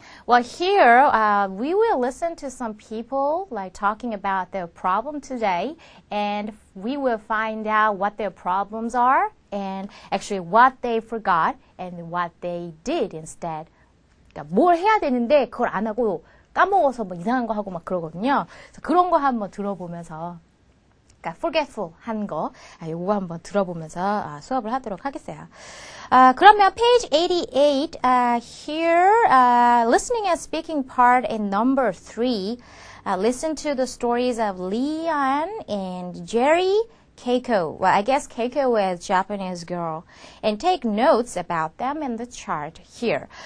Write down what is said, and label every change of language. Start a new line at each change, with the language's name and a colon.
English: Well, here we will listen to some people like talking about their problem today, and we will find out what their problems are and actually what they forgot and what they did instead.
Korean: 그러니까 뭘 해야 되는데 그걸 안 하고 까먹어서 뭐 이상한 거 하고 막 그러거든요. 그래서 그런 거 한번 들어보면서 그러니까 forgetful 한 거 이거 한번 들어보면서 수업을 하도록 하겠어요. 그러면
English: page 88 here listening and speaking part in number 3 listen to the stories of Leon and Jerry Keiko. Well, I guess Keiko is Japanese girl. And take notes about them in the chart here.